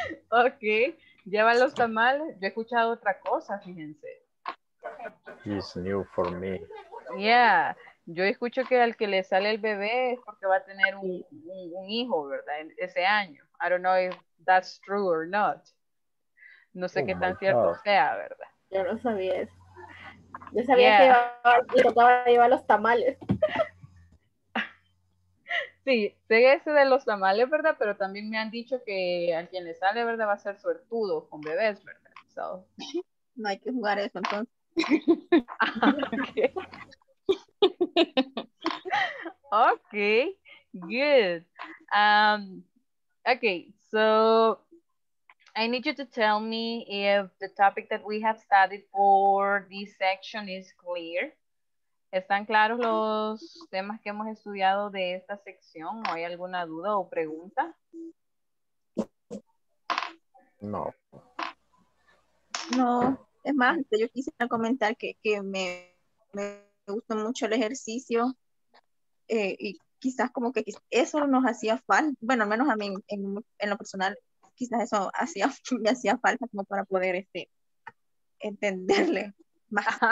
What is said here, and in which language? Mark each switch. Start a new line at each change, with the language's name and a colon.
Spanish: Ok. Lleva los tamales. Yo he escuchado otra cosa, fíjense.
English: It's new for me. Yeah.
Spanish: Yo escucho que al que le sale el bebé es porque va a tener un hijo, ¿verdad? Ese año. I don't know if that's true or not. No sé qué tan cierto sea, ¿verdad? Yo no sabía eso. Yo sabía que iba a los tamales. Sí, sé ese de los tamales, ¿verdad? Pero también me han dicho que a quien le sale, ¿verdad? Va a ser suertudo con bebés, ¿verdad? So. No hay que jugar eso, entonces.
English: Okay, good. Okay, so I need you to tell me if the topic that we have studied for this section is clear.
Spanish: ¿Están claros los temas que hemos estudiado de esta sección? ¿O hay alguna duda o pregunta? No. No, es más, yo quisiera comentar que me gustó mucho el ejercicio y quizás como que eso nos hacía falta, bueno, al menos a mí en lo personal, quizás eso me hacía falta como para poder entenderle más.